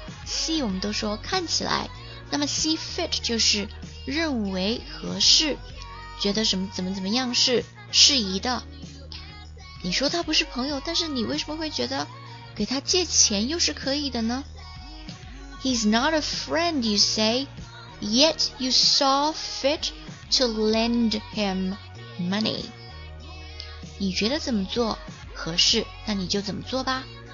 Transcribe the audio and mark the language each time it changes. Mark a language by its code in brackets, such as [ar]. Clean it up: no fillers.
[zh] see 我们都说看起来，那么 see fit 就是认为合适，觉得什么怎么怎么样是适宜的。你说他不是朋友，但是你为什么会觉得给他借钱又是可以的呢？ [en] He's not a friend, you say, yet you saw fit to lend him money. [zh] 你觉得怎么做合适，那你就怎么做吧。